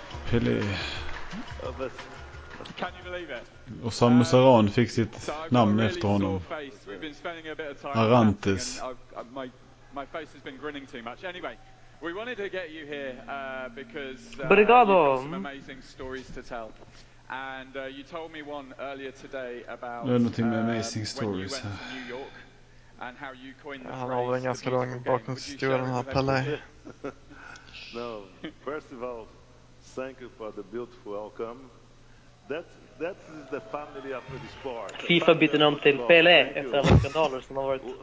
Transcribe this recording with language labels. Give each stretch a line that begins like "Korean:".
Swedish: Pelé. Och Samus Aran fick sitt namn efter honom.
English: Arantes. My face has been grinning too much. Anyway, we wanted to get you here because... Brigado! ...some amazing stories to tell. And you told me one earlier today about Learning amazing stories. When you went to New York and how you coined the phrase.
Swedish: Han har väl en ganska lång bakgrund här, Pelle.
English: No, first of all, thank you for the beautiful welcome. That is the family of the sport.
Swedish: FIFA bytte namn till Pelé efter alla skandaler som har varit.